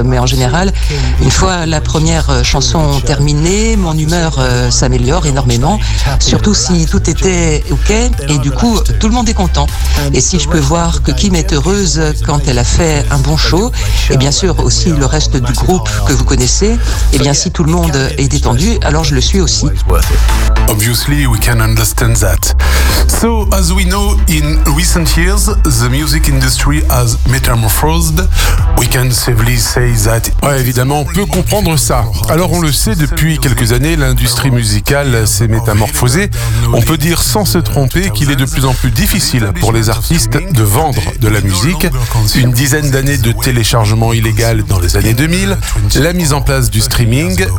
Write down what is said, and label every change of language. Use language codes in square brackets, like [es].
[fr] Mais en général, une fois la première chanson terminée, mon humeur s'améliore énormément, surtout si tout était ok, et du coup, tout le monde est content. Et si je peux voir que Kim est heureuse quand elle a fait un bon show, et bien sûr aussi le reste du groupe que vous connaissez, et bien si tout le monde est détendu, alors je le suis aussi. [en] Obviously, we can understand that. So, as we know, in recent years, the music industry has metamorphosed. We can safely say that... [fr] Ouais, évidemment, on peut comprendre ça. Alors, on le sait, depuis quelques années, l'industrie musicale s'est métamorphosée. On peut dire sans se tromper qu'il est de plus en plus difficile pour les artistes de vendre de la musique. Une dizaine d'années de téléchargement illégal dans les années 2000, la mise en place du streaming.